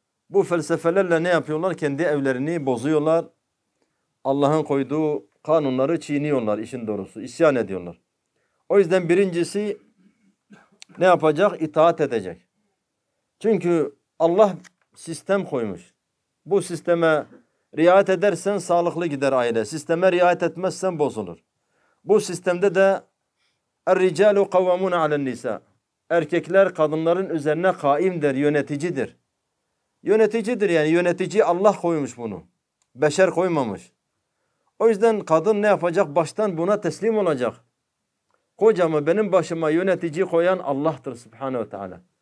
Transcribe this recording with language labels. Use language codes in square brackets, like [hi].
[tr] Bu felsefelerle ne yapıyorlar? Kendi evlerini bozuyorlar. Allah'ın koyduğu kanunları çiğniyorlar, işin doğrusu. İsyan ediyorlar. O yüzden birincisi ne yapacak? İtaat edecek. Çünkü Allah sistem koymuş. Bu sisteme riayet edersen sağlıklı gider aile. Sisteme riayet etmezsen bozulur. Bu sistemde de [ar] اَرْرِجَالُ قَوَّمُونَ عَلَى النِّسَى. [tr] Erkekler kadınların üzerine kaimdir, yöneticidir. Yöneticidir, yani yönetici Allah koymuş bunu. Beşer koymamış. O yüzden kadın ne yapacak? Baştan buna teslim olacak. Kocamı, benim başıma yönetici koyan Allah'tır Subhanehu Teala.